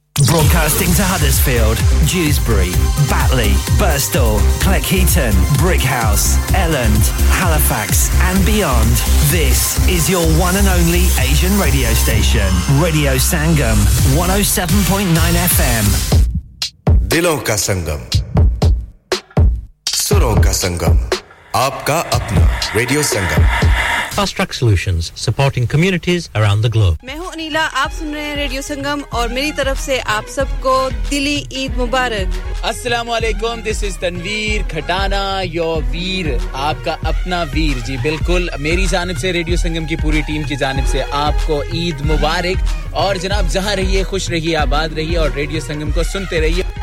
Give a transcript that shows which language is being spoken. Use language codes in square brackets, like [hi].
[en] Broadcasting to Huddersfield, Dewsbury, Batley, Birstall, Cleckheaton, Brickhouse, Elland, Halifax and beyond. This is your one and only Asian radio station. Radio Sangam, 107.9 FM. [hi] दिलों का संगम, सुरों का संगम, आपका अपना radio Sangam. [en] Fast Track Solutions, supporting communities around the globe. [hi] मैं हूं अनीला, आप सुन रहे हैं रेडियो संगम और मेरी तरफ से आप सबको दिली ईद मुबारक. [en] Assalamualaikum, this is Tanveer Khatana, your veer, [hi] आपका अपना वीर. जी बिल्कुल, मेरी जानिब से रेडियो संगम की पूरी टीम की जानिब से आपको ईद मुबारक और जनाब जहां रहिए खुश रहिए आबाद रहिए और रेडियो संगम को सुनते रहिए.